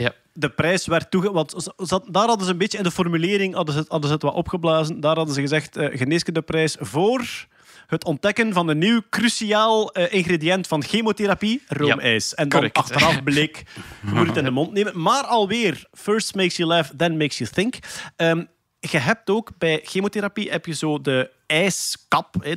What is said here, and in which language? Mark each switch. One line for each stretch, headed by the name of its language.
Dutch: Ja. De prijs werd want daar hadden ze een beetje in de formulering hadden ze het wat opgeblazen. Daar hadden ze gezegd, geneeskunde prijs voor het ontdekken van een nieuw cruciaal ingrediënt van chemotherapie, roomijs. Ja, en dan correct. Achteraf bleek, je moet het in de mond nemen. Maar alweer,
English: first makes you laugh, then makes you think.
Dutch: Je hebt ook bij chemotherapie heb je zo de ijskap. Hè?